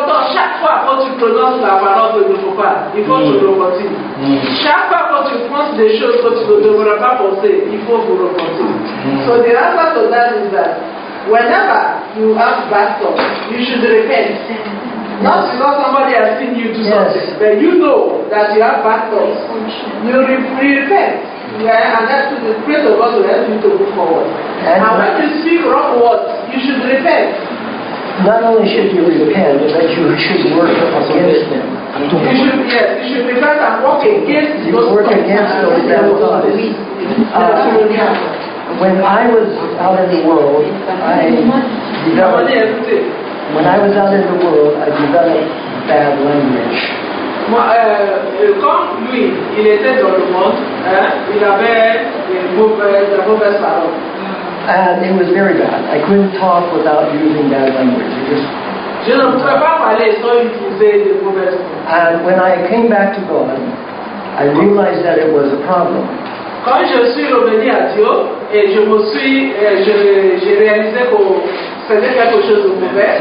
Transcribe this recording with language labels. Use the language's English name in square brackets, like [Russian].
[French] Chaque fois quand tu prononces la parole de Dieu, il faut se repentir. Chaque fois quand tu penses des choses que tu ne devrais pas penser, il faut vous repentir. [English] So the answer to that is that whenever you have bad thoughts, you should repent. Not because somebody has seen you do something, but you know that you have bad thoughts. You repent. Yeah, and that's the spirit of God will help you to move forward. And when you speak wrong words, you should repent. Not only should you repent, but you should work against them. You should repent and work against them. You work against those bad thoughts. When I was out in the world, I developed bad language. [French] Comme lui, il était dans le monde, hein, il avait une mauvaise parole. [English] And it was very bad. I couldn't talk without using bad language. [French] Je ne pouvais pas parler sans utiliser de mauvaises mots. [English] And when I came back to God, I realized that it was a problem. [French] Quand je suis revenu à Dieu et j'ai réalisé que c'était quelque chose de mauvais.